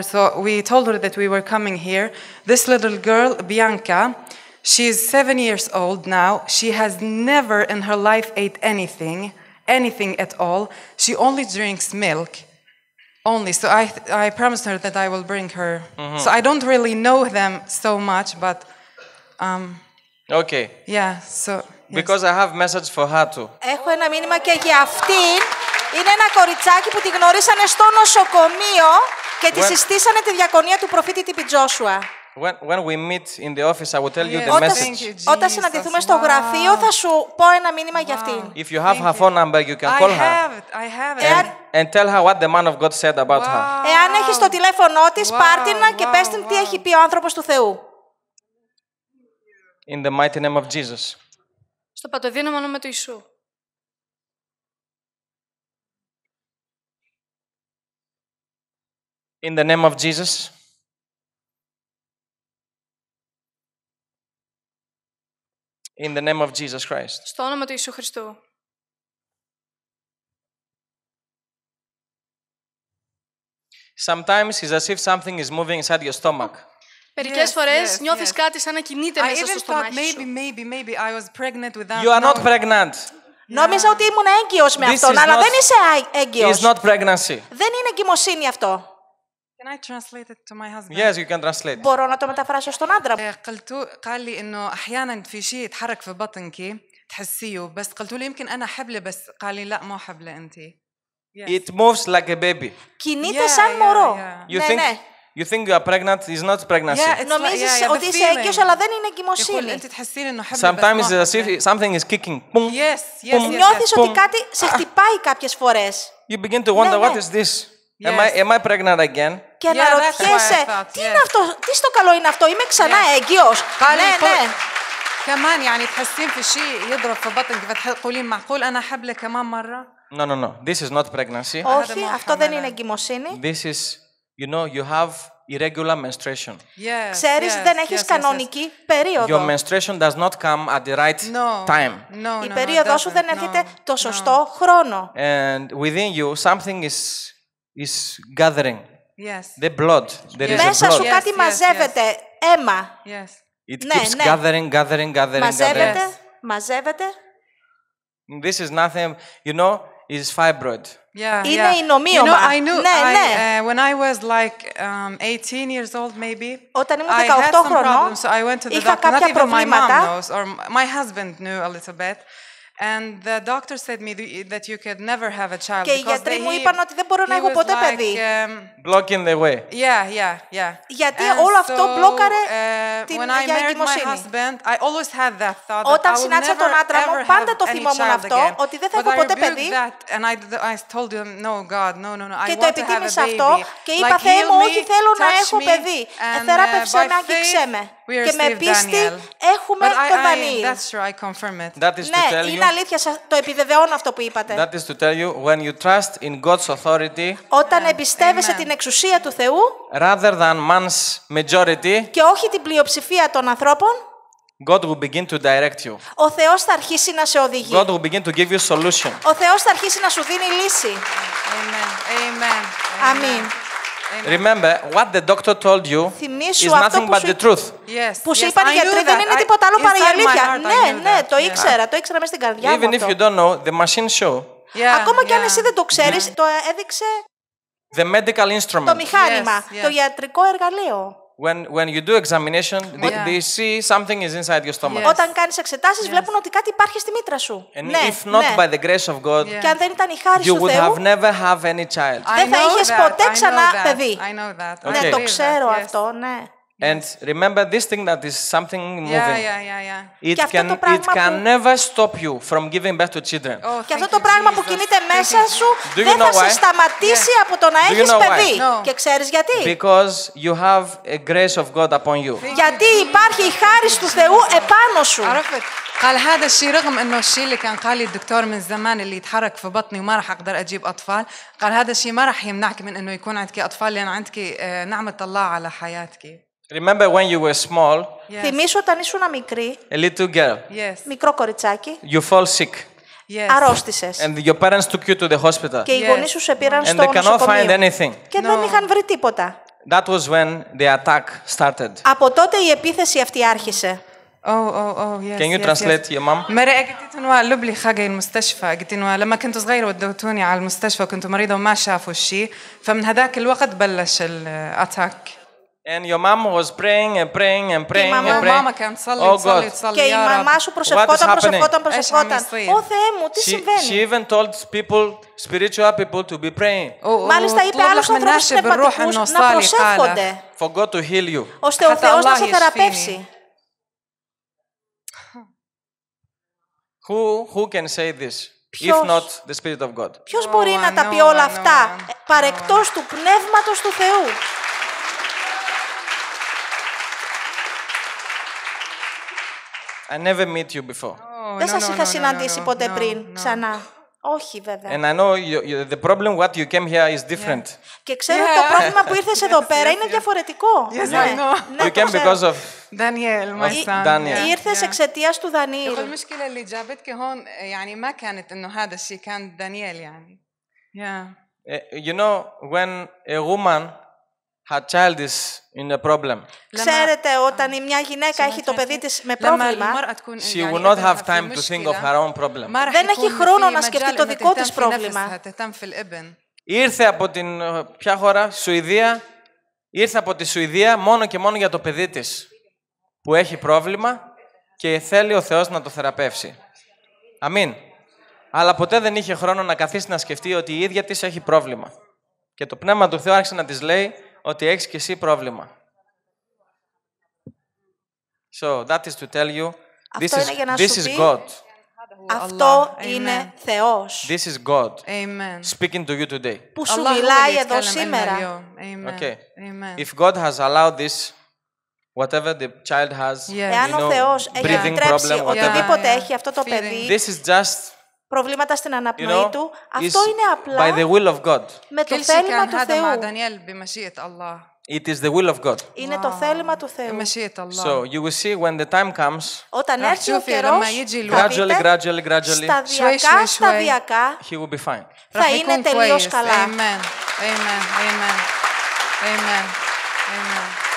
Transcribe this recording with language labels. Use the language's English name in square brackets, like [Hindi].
[English] So we told her that we were coming here. This little girl, Bianca, she's 7 years old now. She has never in her life ate anything at all. She only drinks milk, only. So I promised her that I will bring her. Mm-hmm. So I don't really know them so much, but... Okay. Yeah, so Because I have message for her too. [Greek] Έχω ένα μήνυμα και για αυτήν. Είναι ένα κοριτσάκι που τη γνωρίσανε στο νοσοκομείο και τη συστήσανε τη διακονία του προφήτη Τιπι Τζόσουα. [English] When we meet in the office, I will tell you the message. [Greek] Όταν συναντηθούμε στο γραφείο, θα σου πω ένα μήνυμα για αυτήν. [English] If you have her phone number, you can call her. And tell her what the man of God said about her. [Greek] Εάν έχεις το τηλέφωνό της, πάρτινα και πες την τι έχει πει ο άνθρωπος του Θεού. [English] In the mighty name of Jesus. [Greek] Στο πατοδύναμο όνομα του Ιησού. [English] In the name of Jesus. In the name of Jesus Christ. [Greek] Στο όνομα του Ιησού Χριστού. [English] Sometimes it's as if something is moving inside your stomach. [Greek] Μερικές φορές νιώθεις κάτι σαν να κινείται μέσα στο στομάχι σου. [English] Maybe I was pregnant with that. You are not pregnant. [Greek] Νόμιζα ότι ήμουν έγκυος με αυτόν, αλλά δεν είσαι έγκυος. [English] It's not pregnancy. [Greek] Δεν είναι εγκυμοσύνη αυτό. [English] Can I translate it to my husband? Yes, you can translate. [Greek] Μπορώ να το μεταφράσω στον άντρα. Καλή είναι αχιάναν [Arabic] في شيء يتحرك في بطنك تحسيه بس قلت له يمكن انا حبله بس قال لي لا مو حبله انت. [English] It moves like a baby. [Greek] Κινείται σαν μωρό. [English] You think you are pregnant, it's not pregnancy. [Greek] Νομίζεις ότι είσαι έγκυος, αλλά δεν είναι εγκυμοσύνη. [English] Sometimes it's as if something is kicking. Yes, [Greek] νιώθεις ότι κάτι σε χτυπάει κάποιες φορές. [English] You begin to wonder, what is this? Yes. Am I pregnant again? [Greek] Και αναρωτιέσαι, τι είναι αυτό, τι στο καλό είναι αυτό, είμαι ξανά έγκυος. Ναι. [Arabic] كمان يعني تحسين في شيء يضرب في بطنك فتقولين معقول أنا حبل كمان مرة؟ [English] No. This is not pregnancy. [Greek] Όχι, αυτό δεν είναι εγκυμοσύνη. [English] This is, you know, you have irregular menstruation. Yes. [Greek] Ξέρεις, δεν έχεις κανονική περίοδο. [English] Your menstruation does not come at the right time. No. [Greek] Η περίοδος σου δεν έρχεται το σωστό χρόνο. [English] And within you something is gathering. Yes. The blood. There is blood. [Greek] Μέσα σου κάτι μαζεύεται, αίμα. [English] Yes. It keeps gathering. [Greek] Μαζεύεται, μαζεύεται. [English] This is nothing, you know, it's fibroid. [Greek] Είναι η νομίωμα. [English] You know, I knew, when I was like 18 years old maybe, [Greek] όταν ήμουν 18 χρονών, είχα κάποια προβλήματα. [English] My mom knows, or my husband knew a little bit. And the doctor said me that you could never have a child because blocking the way. Yeah. [Greek] Γιατί όλο αυτό μπλόκαρε την για εγκυμοσύνη. [English] When I married my husband, I always had that thought that I would never [Greek] τον άντρα μου, πάντα το θυμόμουν αυτό, ότι δεν θα έχω ποτέ παιδί. [English] And I told him, no, God, no, I want to have a baby. [Greek] Και είπα, Θεέ μου, όχι, θέλω να έχω παιδί. Θεράπευσέ με, άγγιξέ με. Και με πίστη έχουμε τον Δανιήλ. [English] That's true, I confirm it. That is to tell you. [Greek] Είναι αλήθεια, το επιβεβαιώνω αυτό που είπατε. [English] That is to tell you, when you trust in God's authority, [Greek] όταν εμπιστεύεσαι την εξουσία του Θεού, [English] rather than man's majority, [Greek] και όχι την πλειοψηφία των ανθρώπων, [English] God will begin to direct you. [Greek] Ο Θεός θα αρχίσει να σε οδηγεί. [English] God will begin to give you solution. [Greek] Ο Θεός θα αρχίσει να σου δίνει λύση. [English] Amen. Amen. Remember what the doctor told you is nothing but the truth. Yes. [Greek] Που σου είπαν οι γιατροί δεν είναι τίποτα άλλο παρά η αλήθεια. Ναι, το ήξερα, το ήξερα μέσα στην καρδιά μου. [English] Even if you don't know, the machine show. [Greek] Ακόμα κι αν εσύ δεν το ξέρεις, το έδειξε. [English] The medical instrument. [Greek] Το μηχάνημα, το ιατρικό εργαλείο. [English] When you do examination, they see something is inside your stomach. [Greek] Όταν κάνεις εξετάσεις, βλέπουν ότι κάτι υπάρχει στη μήτρα σου. [English] And if not by the grace of God, you would have never have any child. [Greek] Δεν θα είχες ποτέ ξανά παιδί. [English] I know that. [Greek] Ναι, το ξέρω αυτό, ναι. [English] And remember this thing that is something moving. Yeah. It can never stop you from giving birth to children. [Greek] Και αυτό το πράγμα που κινείται μέσα σου δεν θα σε σταματήσει από το να έχεις παιδί. Και ξέρεις γιατί? [English] Because you have a grace of God upon you. [Greek] Γιατί υπάρχει η χάρις του Θεού επάνω σου. [Arabic] قال هذا الشيء رغم انه الشيء اللي كان قال لي الدكتور من زمان اللي يتحرك في بطني وما راح اقدر اجيب اطفال قال هذا الشيء ما راح يمنعك من انه يكون عندك اطفال لان عندك نعمه الله على حياتك. [English] Remember when you were small? [Greek] Θυμήσου όταν ήσουν μικρή. [English] A little girl. Yes. [Greek] Μικρό κοριτσάκι. [English] You fall sick. Yes. [Greek] Αρρώστησες. [English] And your parents took you to the hospital. [Greek] Και οι γονείς σου σε πήραν στο νοσοκομείο. [English] And they cannot find anything. [Greek] Και δεν είχαν βρει τίποτα. [English] That was when the attack started. [Greek] Από τότε η επίθεση αυτή άρχισε. [English] Oh, yes. Can you translate, your mom? [Arabic] مرأة قلت إنه لبلي خاجة المستشفى قلت إنه لما كنت صغيرة ودوتوني على المستشفى كنت مريضة وما شافوا الشيء فمن هذاك الوقت بلش الاتاك. [English] And your mom was praying and praying and praying and praying. Oh God. And your mom was praying. [Greek] Oh Θεέ μου, τι συμβαίνει? [English] She even told people, spiritual people, to be praying. [Greek] Μάλιστα είπε άλλους ανθρώπους νεπατικούς να προσεύχονται. [English] For God to heal you. [Greek] Ώστε ο Θεός να σε θεραπεύσει. [English] Who can say this? If not the Spirit of God. [Greek] Ποιος μπορεί να τα πει όλα αυτά παρεκτός του Πνεύματος του Θεού? [English] I never met you before. [Greek] Δεν σας είχα συναντήσει ποτέ πριν, ξανά. Όχι, βέβαια. [English] And I know the problem what you came here is different. [Greek] Και ξέρω το πρόβλημα που ήρθες εδώ πέρα είναι διαφορετικό. [English] Yes, I know. You came because of Daniel, my son. Daniel. [Greek] Ήρθες εξαιτίας του Δανίλη. Εγώ είμαι σκύλα Ελιζάβετ και όν, [Arabic] يعني ما كانت انه هذا الشيء كان Daniel يعني. [English] Yeah. You know when a woman her child is in a problem. [Greek] Ξέρετε, όταν μια γυναίκα έχει το παιδί της με πρόβλημα, [English] she will not have time to think of her own problem. [Greek] Δεν έχει χρόνο να σκεφτεί το δικό της πρόβλημα. Ήρθε από την ποια χώρα, Σουηδία, ήρθε από τη Σουηδία μόνο και μόνο για το παιδί της που έχει πρόβλημα και θέλει ο Θεός να το θεραπεύσει. Αμήν. Αλλά ποτέ δεν είχε χρόνο να καθίσει να σκεφτεί ότι η ίδια της έχει πρόβλημα. Και το Πνεύμα του Θεού άρχισε να της λέει ότι έχεις και εσύ πρόβλημα. [English] So, that is to tell you, this [Greek] αυτό είναι [English] this is God. [Greek] Αυτό είναι Θεός. [English] This is God. Amen. Speaking to you today. [Greek] Που σου μιλάει εδώ σήμερα. [English] Amen. Okay. If God has allowed this, whatever the child has, yeah. [Greek] Εάν ο Θεός έχει επιτρέψει οτιδήποτε έχει αυτό το παιδί, [English] this is just [Greek] προβλήματα στην αναπνοή [English] you know, [Greek] του, αυτό είναι απλά [English] by the will of God. [Greek] Με το θέλημα του Θεού. [Arabic] Daniel, بمشيئة الله. [English] It is the will of God. [Greek] Είναι το θέλημα του Θεού. [English] So you will see when the time comes. [Greek] Όταν έρθει ο καιρός, [English] gradually, [Greek] σταδιακά, [English] he will be fine. [Greek] Θα είναι τελείως καλά. [English] Amen. Amen. Amen. Amen. Amen.